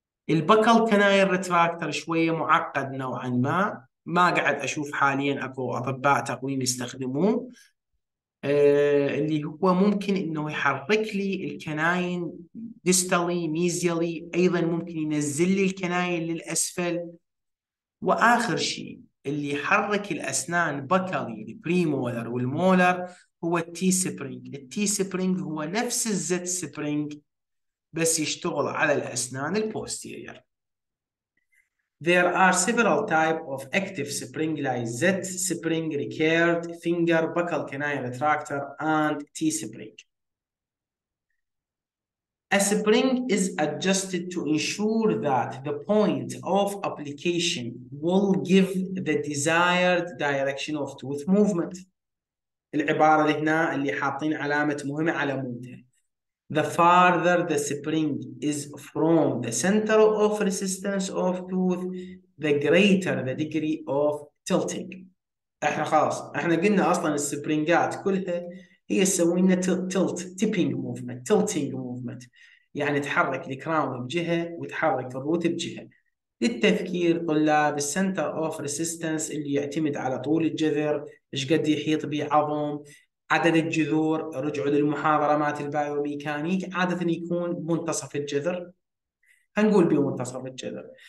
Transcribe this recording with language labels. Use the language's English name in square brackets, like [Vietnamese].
[Arabic] البكل كناير ريتراكتر شويه معقد نوعا ما، ما قاعد اشوف حاليا اكو اطباء تقويم يستخدموه، اللي هو ممكن انه يحرك لي الكناين ديستالي ميزيالي، ايضا ممكن ينزل لي الكناين للاسفل. واخر شيء اللي يحرك الاسنان بكالي البريمولر والمولر هو التي سبرينج. التي سبرينج هو نفس الزد سبرينج بس يشتغل على الاسنان البوستيرير. [English] There are several types of active spring like Z spring, recurved finger, buccal canine retractor, and T spring. A spring is adjusted to ensure that the point of application will give the desired direction of tooth movement. [Arabic] العبارة اللي هنا اللي حاطين علامة مهمة على مودها. [English] The farther the spring is from the center of resistance of tooth, the greater the degree of tilting. [Arabic] احنا خلاص احنا قلنا اصلا السبرينجات كلها هي تسوي لنا تلت تيبينج موفمنت تلتينج موفمنت، يعني تحرك الكراون بجهه وتحرك الروت بجهه. للتذكير طلاب السنتر اوف ريسيستنس اللي يعتمد على طول الجذر، ايش قد يحيط بيه عظم، عدد الجذور، رجعوا للمحاضرة مات البايوميكانيك، عادة يكون منتصف الجذر، هنقول بمنتصف الجذر.